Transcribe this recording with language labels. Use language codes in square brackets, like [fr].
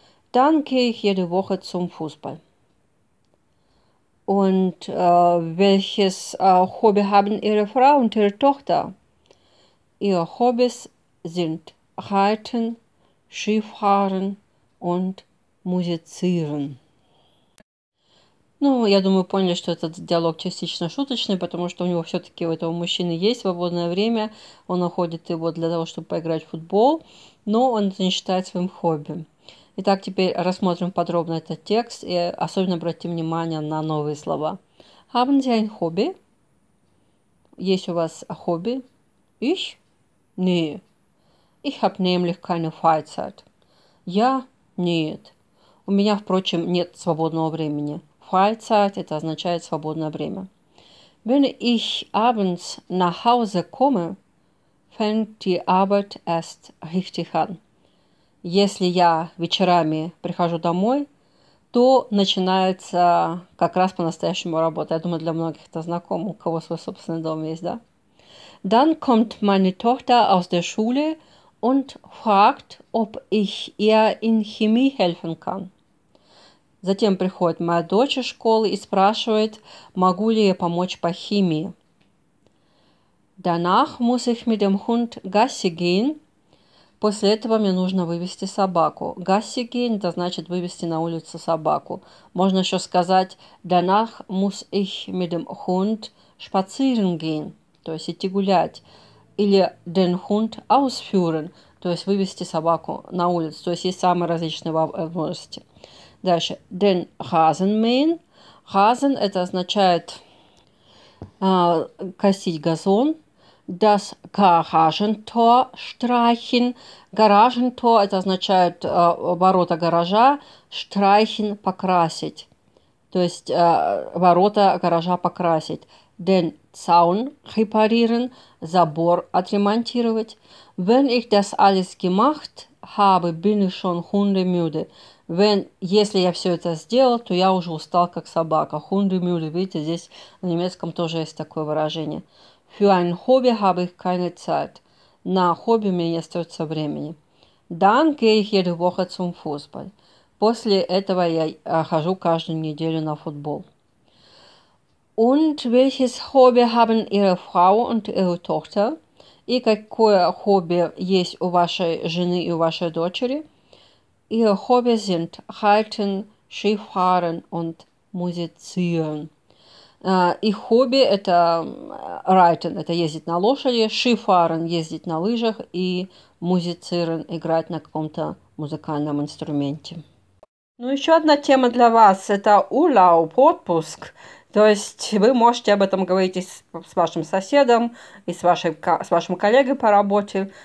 [de] Dann gehe ich jede Woche zum Fußball. Und welches Hobby haben Ihre Frau und Ihre Tochter? Ihre Hobbys sind Reiten, Skifahren und Musizieren. [ru] Ну, я думаю, поняли, что этот диалог частично шуточный, потому что у него все-таки у этого мужчины есть свободное время. Он находит его для того, чтобы поиграть в футбол, но он это не считает своим хобби. Итак, теперь рассмотрим подробно этот текст и особенно обратим внимание на новые слова. [de] Haben Sie ein Hobby? [ru] Есть у вас хобби? [de] Ich? Nee. Ich habe nämlich keine Freizeit. [ru] Я? Нет. У меня, впрочем, нет свободного времени. Freizeit – это означает свободное время. [de] Wenn ich abends nach Hause komme, fängt die Arbeit erst richtig an. [ru] Если я вечерами прихожу домой, то начинается как раз по-настоящему работа. Я думаю, для многих это знакомо, у кого свой собственный дом есть, да? [de] Dann kommt meine Tochter aus der Schule und fragt, ob ich ihr in Chemie helfen kann. [ru] Затем приходит моя дочь из школы и спрашивает, могу ли я помочь по химии. [de] Danach muss ich mit dem Hund Gassi gehen. [ru] После этого мне нужно вывести собаку. [de] Gassi gehen [ru] – это значит вывести на улицу собаку. Можно еще сказать, [de] danach muss ich mit dem Hund spazieren gehen. [ru] То есть идти гулять. Или [de] den Hund ausführen, [ru] то есть вывести собаку на улицу. То есть есть самые различные возможности. Дальше. [de] Den Rasenmähen. [ru] Rasen – это означает косить газон. [de] Das Garagentor streichen. [ru] Garagentor – это означает ворота гаража. Streichen – покрасить. То есть ворота гаража покрасить. [de] Den Zaun reparieren, [ru] забор отремонтировать. [de] Wenn ich das alles gemacht habe, bin ich schon hundemüde. [ru] Wenn, если я все это сделал, то я уже устал, как собака. Hundemüde, видите, здесь на немецком тоже есть такое выражение. [de] Für ein Hobby habe ich keine Zeit. [ru] На хобби у меня не остается времени. [de] Dann gehe ich jede Woche zum Fußball. [ru] После этого я хожу каждую неделю на футбол. [de] Und welches Hobby haben Ihre Frau und Ihre Tochter? [ru] И какое хобби есть у вашей жены и у вашей дочери? [de] Ihre Hobby sind Reiten, Skifahren und Musizieren. [ru] Их хобби это Reiten, это ездить на лошади, Skifahren, ездить на лыжах и Musizieren, играть на каком-то музыкальном инструменте. Ну, еще одна тема для вас – это Urlaub, отпуск. То есть вы можете об этом говорить и с вашим соседом, и с вашим коллегой по работе.